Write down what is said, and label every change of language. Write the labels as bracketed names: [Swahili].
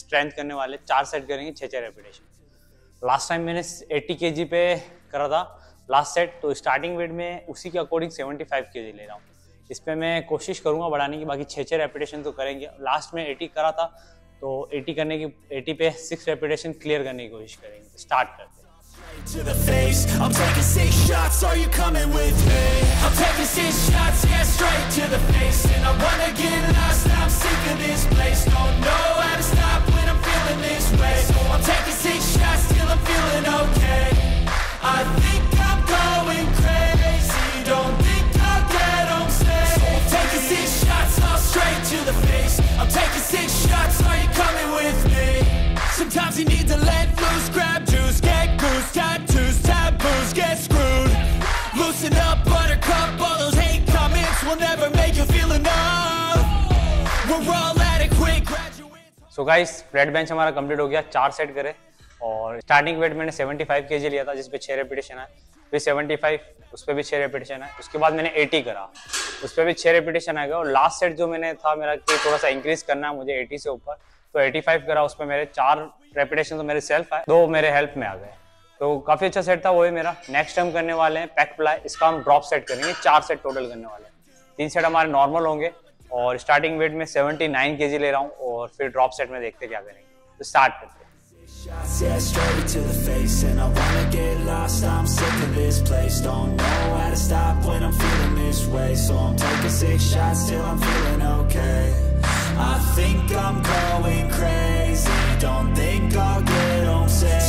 [Hindi] Strength करने वाले चार सेट करेंगे, छः छः रेपिटेशन। लास्ट टाइम मैंने 80 केजी पे करा था लास्ट सेट, तो स्टार्टिंग वेट में उसी के अकॉर्डिंग 75 केजी ले रहा हूँ। इस पर मैं कोशिश करूँगा बढ़ाने की, बाकी छः छः रेपिटेशन तो करेंगे। लास्ट में 80 करा था, तो 80 करने की 80 पे 6 रेपिटेशन क्लियर करने की कोशिश करेंगे। स्टार्ट करते हैं। [English] To the face, I'm taking 6 shots. Are you coming with me? I'm taking 6 shots, yeah, straight to the face. And I wanna get lost, I'm sick of this place. Don't know how to stop when I'm feeling this way. So I'm taking 6 shots till I'm feeling okay. I think I'm going crazy. Don't think I'll get on stage. So I'm taking 6 shots all straight to the face. I'm taking 6 shots. Are you coming with me? Sometimes you need to let loose, grab juice, get goose, tattoos, taboos, get screwed. Loosen up, buttercup, all those hate comments will never make you feel enough. We're all adequate graduates. So guys, flat bench [Hindi] हमारा complete हो गया, चार set करे। और starting weight मैंने 75 kg लिया था, जिसपे 6 repetition है। फिर 75, उस पर भी 6 repetition है। उसके बाद मैंने 80 करा, उस पर भी 6 repetition आएगा। और last set जो मैंने था मेरा कि थोड़ा सा increase करना है मुझे 80 से ऊपर, तो 85 करा, उसमें मेरे 4 रेपिटेशन तो मेरे सेल्फ आए, 2 मेरे हेल्प में आ गए। तो काफ़ी अच्छा सेट था वो भी मेरा। नेक्स्ट हम करने वाले हैं पैक फ्लाई। इसका हम ड्रॉप सेट करेंगे, 4 सेट टोटल करने वाले हैं। 3 सेट हमारे नॉर्मल होंगे और स्टार्टिंग वेट में 79 केजी ले रहा हूँ, और फिर ड्रॉप सेट में देखते क्या करेंगे। तो स्टार्ट करते हैं। [English] Shots, yeah, straight to the face. And I wanna get lost, I'm sick of this place. Don't know how to stop when I'm feeling this way. So I'm taking 6 shots till I'm feeling okay. I think I'm going crazy. Don't think I'll get on safe.